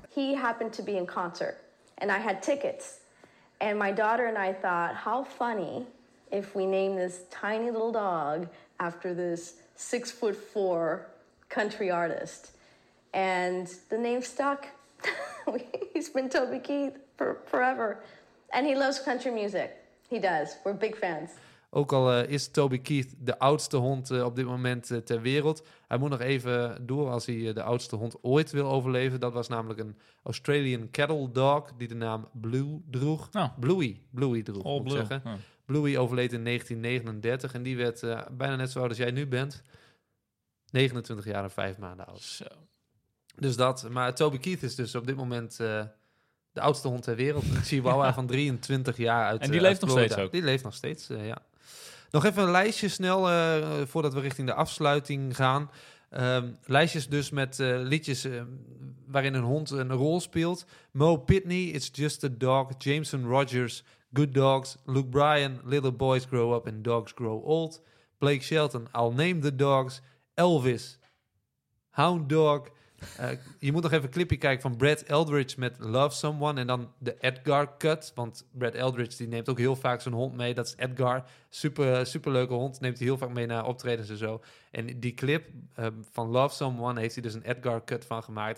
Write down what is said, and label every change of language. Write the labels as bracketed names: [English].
[English] He happened to be in concert and I had tickets. And my daughter and I thought, how funny if we name this tiny little dog after this 6'4" country artist. And the name stuck. He's been Toby Keith for forever. And he loves country music. He does. We're big fans. [Dutch] Ook al is Toby Keith de oudste hond op dit moment ter wereld. Hij moet nog even door als hij de oudste hond ooit wil overleven. Dat was namelijk een Australian Cattle Dog die de naam Blue droeg. Oh. Bluey droeg, all moet blue. Ik zeggen. Oh. Bluey overleed in 1939 en die werd bijna net zo oud als jij nu bent. 29 jaar en 5 maanden oud. So. Dus dat. Maar Toby Keith is dus op dit moment de oudste hond ter wereld. Een chihuahua van 23 jaar uit En die leeft nog steeds ook. Die leeft nog steeds, ja. Nog even een lijstje snel, voordat we richting de afsluiting gaan. Lijstjes dus met liedjes waarin een hond een rol speelt. Mo Pitney, It's Just a Dog. Jameson Rogers, Good Dogs. Luke Bryan, Little Boys Grow Up and Dogs Grow Old. Blake Shelton, I'll Name the Dogs. Elvis, Hound Dog. je moet nog even een clipje kijken van Brad Eldridge met Love Someone. En dan de Edgar Cut. Want Brad Eldridge die neemt ook heel vaak zijn hond mee. Dat is Edgar. Super leuke hond. Neemt hij heel vaak mee naar optredens en zo. En die clip van Love Someone heeft hij dus een Edgar Cut van gemaakt.